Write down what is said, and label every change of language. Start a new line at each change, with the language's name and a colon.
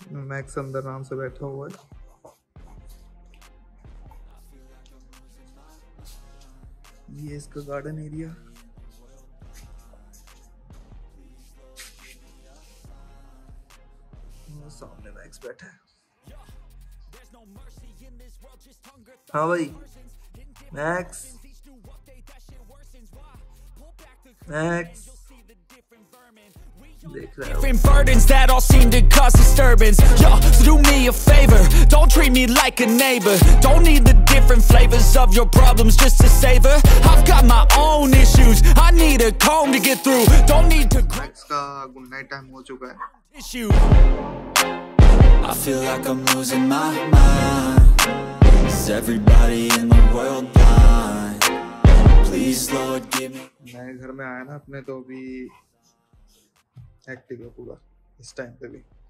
Hindi: Max अंदर आराम से बैठा हुआ है। ये इसका गार्डन एरिया। सामने Max बैठा है। हाँ भाई Max, Max,
English: different burdens that all seem to cause disturbance. Yo, so do me a favor, don't treat me like a neighbor. Don't need the different flavors of your problems just to savor. I've got my own issues, I need a comb to get through. Don't need to.
Hindi: Max ka
English: good night time
Hindi: ho chuka hai.
English: Issue. I feel like I'm losing my mind. Is everybody in the world blind? Please, Lord, give me.
Hindi: मैं घर में आया ना अपने, तो अभी active है पूरा इस टाइम पे भी।